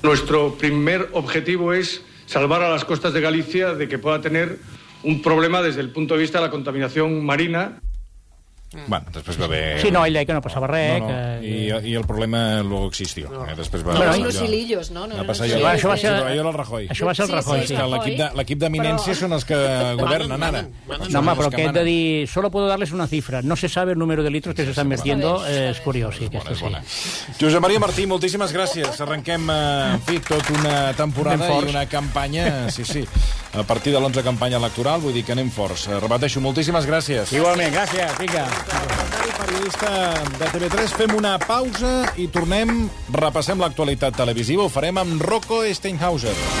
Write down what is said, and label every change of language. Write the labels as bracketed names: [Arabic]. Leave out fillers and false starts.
[Spanish] Nuestro primer objetivo es salvar a las costas de Galicia de que pueda tener un problema desde el punto de vista de la contaminación marina. [Catalan] Bueno, després va haver... Sí, no, ell deia que no passava res. No, no. Que... [Spanish] I el problema luego existió. [Catalan] No. Després va passar allò. No, això va ser... Allò era el Rajoy. Això va ser el Rajoy, sí. L'equip d'eminència són els que governen ara. No, home, però què he de dir? [Spanish] Solo puedo darles una cifra. No se sabe el número de litros que se están vertiendo. [Catalan] És curiós, sí. És bona. Josep Maria Martí, moltíssimes gràcies. Arrenquem, en fi, tot una temporada i una campanya. Sí, sí. A partir de l'11 campanya electoral, vull dir que anem forts. Repeteixo, moltíssimes gràcies. Igualment, gràcies. Vinga. Periodista de TV3, fem una pausa i tornem, repassem l'actualitat televisiva. Ho farem amb Rocco Steinhauser.